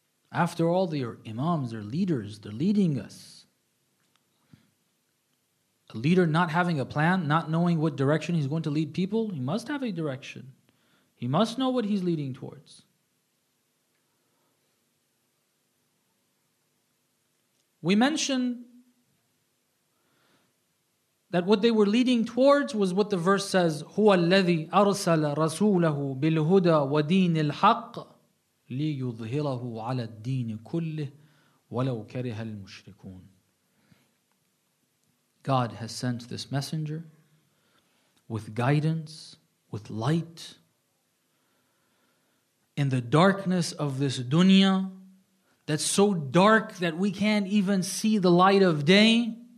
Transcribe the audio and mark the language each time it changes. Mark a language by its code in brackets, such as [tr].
[en] After all, they are imams, they're leaders, they're leading us. A leader not having a plan, not knowing what direction he's going to lead people, he must have a direction. He must know what he's leading towards. We mentioned that what they were leading towards was what the verse says, [ar] هُوَ الَّذِي أَرْسَلَ رَسُولَهُ بِالْهُدَى وَدِينِ الْحَقِّ لِيُظْهِرَهُ عَلَى الدِّينِ كُلِّهِ وَلَوْ كَرِهَ الْمُشْرِكُونَ. [en] God has sent this messenger with guidance, with light, in the darkness of this dunya that's so dark that we can't even see the light of day.